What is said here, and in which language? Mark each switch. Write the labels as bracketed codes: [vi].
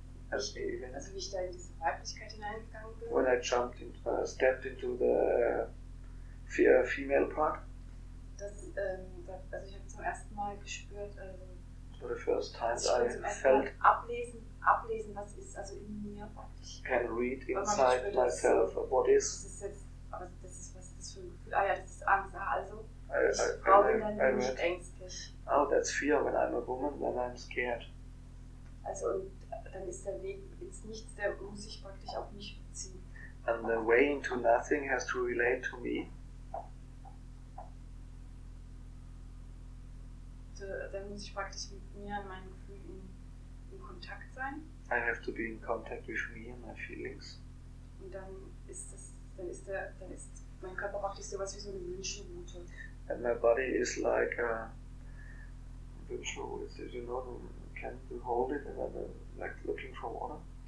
[de] Also wie ich da in diese Weiblichkeit hineingegangen bin. [en] When I jumped into, stepped into the female part. [de] Also ich habe zum ersten Mal gespürt. [en] For the first time I felt. [de] Ablesen, was ist also in mir. [en] Can read inside myself what is. [de] Was ist das für ein Gefühl? Ah ja, das ist Angst. Also ich Frau bin dann nicht ängstlich. [en] Oh, that's fear. When I'm a woman, then I'm scared. [de] Also dann ist der Weg ins Nichts, der muss sich praktisch auf mich beziehen. [en] And the way into nothing has to relate to me. [de] Dann muss ich praktisch mit mir und meinen Gefühlen in Kontakt sein. [en] I have to be in contact with me and my feelings. [de] Und dann ist das, dann ist mein Körper praktisch so was wie so eine Wünschelrute. [en] And my body is like a Wünschelrute. Did you know the candle hold it and then like looking for water?